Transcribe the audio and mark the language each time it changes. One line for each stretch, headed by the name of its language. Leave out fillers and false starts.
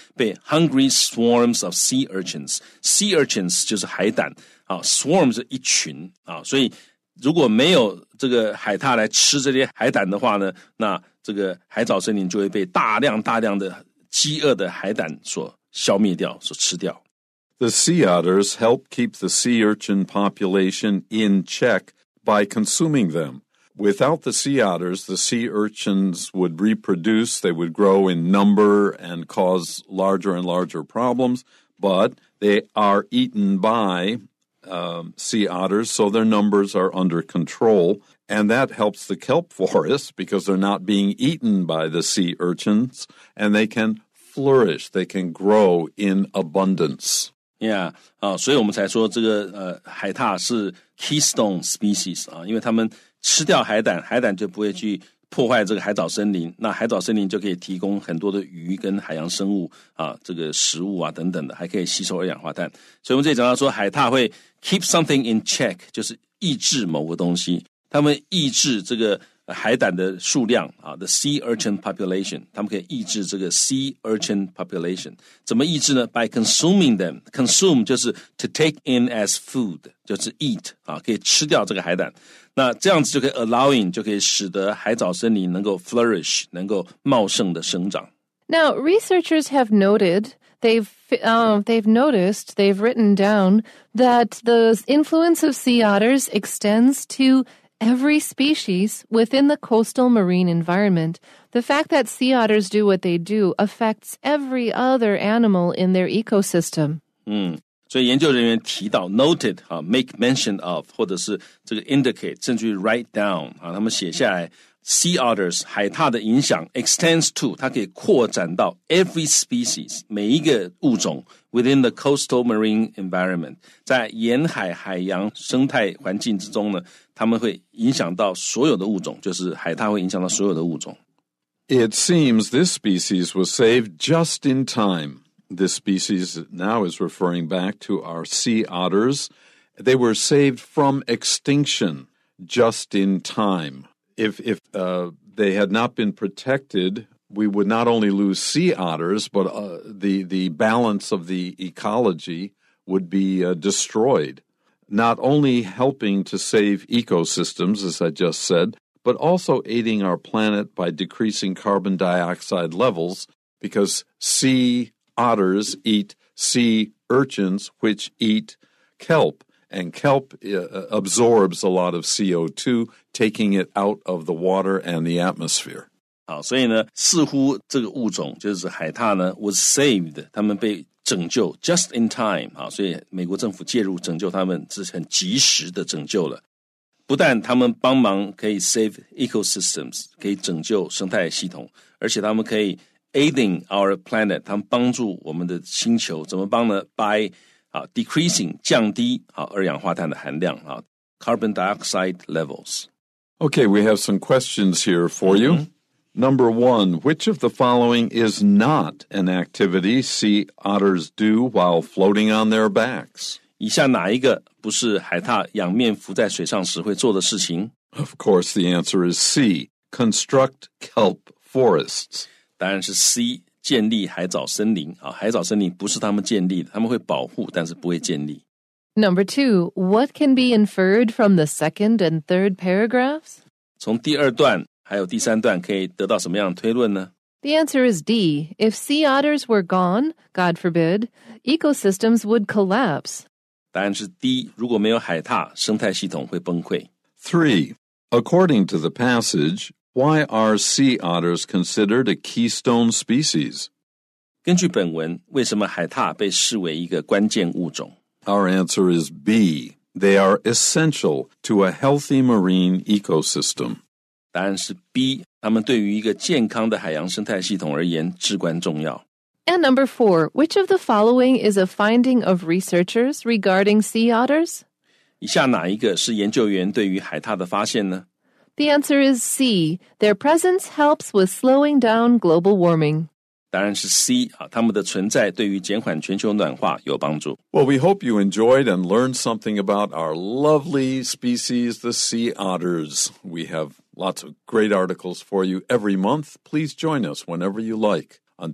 Chinese: 被
English: hungry swarms of sea urchins. Sea urchins
Chinese: 就是海胆啊 ，swarm 是一群啊，所以如果没有这个海獭来吃这些海胆的话呢，那这个海藻森林就会被大量大量的饥饿的海胆所消灭掉，所吃掉。
English: The sea otters help keep the sea urchin population in check by consuming them. Without the sea otters, the sea urchins would reproduce, they would grow in number and cause larger and larger problems, but they are eaten by, sea otters, so their numbers are under control, and that helps the kelp forest because they're not being eaten by the sea urchins, and they can flourish, they can grow in abundance.
Chinese: Yeah, 所以我们才说这个海獭是
English: keystone species,
Chinese: 因为他们吃掉海胆，海胆就不会去破坏这个海藻森林，那海藻森林就可以提供很多的鱼跟海洋生物这个食物啊等等的，还可以吸收二氧化碳。所以我们这里讲到说海獭会
English: keep something in check,
Chinese: 就是抑制某个东西，他们抑制这个海胆的数量
English: the sea urchin population,
Chinese: 他们可以抑制这个
English: sea urchin population,
Chinese: 怎么抑制呢？
English: by consuming them,
Chinese: consume 就是
English: to take in as food,
Chinese: 就是 eat, 可以吃掉这个海胆，那这样子就可以
English: allowing,
Chinese: 就可以使得海藻森林能够 flourish, 能够茂盛的生长。
English: Now, researchers have noted, they've noticed, they've written down that the influence of sea otters extends toEvery species within the coastal marine environment, the fact that sea otters do what they do affects every other animal in their ecosystem.
Chinese: 所以研究人员提到 noted,
English: make mention of,
Chinese: 或者是这个 indicate, 甚至于
English: write down,
Chinese: 他们写下来
English: sea otters,
Chinese: 海獭的影响
English: extends to,
Chinese: 它可以扩展到
English: every species,
Chinese: 每一个物种
English: within the coastal marine environment,
Chinese: 在沿海海洋生态环境之中呢他们会影响到所有的物种，就是海獭会影响到所有的物种。
English: It seems this species was saved just in time. This species now is referring back to our sea otters. They were saved from extinction just in time. If they had not been protected, we would not only lose sea otters, but the balance of the ecology would be destroyed. Not only helping to save ecosystems, as I just said, but also aiding our planet by decreasing carbon dioxide levels, because sea otters eat sea urchins, which eat kelp, and kelp absorbs a lot of CO2, taking it out of the water and the atmosphere.
Chinese: 好，所以呢，似乎这个物种就是海獭呢 ，
English: was saved，
Chinese: 他们被拯救 ，
English: just in time
Chinese: 啊，所以美国政府介入拯救他们，是很及时的拯救了。不但他们帮忙可以
English: save ecosystems，
Chinese: 可以拯救生态系统，而且他们可以
English: aiding our planet，
Chinese: 他们帮助我们的星球，怎么帮呢 ？By 降低二氧化碳的含量
English: carbon dioxide levels。 Okay, we have some questions here for you. Number one, which of the following is not an activity sea otters do while floating on their backs?
Chinese: 以下哪一个不是海獭仰面浮在水上时会做的事情?
English: Of course, the answer is C, construct kelp forests.
Chinese: 当然是 C, 建立海藻森林。啊、海藻森林不是他们建立的,他们会保护,但是不会建立。
English: Number two, what can be inferred from the second and third paragraphs?
Chinese: 从第二段还有第三段可以得到什么样的推论呢?
English: The answer is D. If sea otters were gone, God forbid, ecosystems would collapse.
Chinese: 答案是 D. 如果没有海獭,生态系统会崩溃。
English: Three, according to the passage, why are sea otters considered a keystone species?
Chinese: 根据本文,为什么海獭被视为一个关键物种?
English: Our answer is B. They are essential to a healthy marine ecosystem.
Chinese: 答案是 B. 它们对于一个健康的海洋生态系统而言至关重要。
English: And number four, which of the following is a finding of researchers regarding sea otters?
Chinese: 以下哪一个是研究员对于海獭的发现呢?
English: The answer is C. Their presence helps with slowing down global warming.
Chinese: 答案是 C, 他们的存在对于减缓全球暖化有帮助。
English: Well, we hope you enjoyed and learned something about our lovely species, the sea otters. We have lots of great articles for you every month. Please join us whenever you like. Until